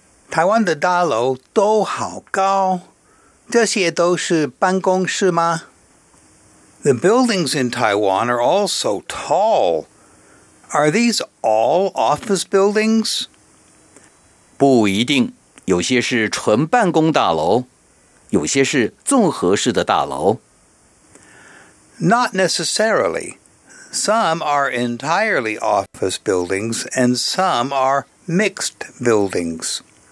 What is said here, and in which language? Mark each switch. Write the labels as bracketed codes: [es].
[zh] 台湾的大楼都好高, 这些都是办公室吗? [en] The buildings in Taiwan are all so tall. Are these all office buildings? [zh] 不一定, 有些是纯办公大楼, 有些是综合式的大楼。 [en] Not necessarily. Some are entirely office buildings and some are mixed buildings.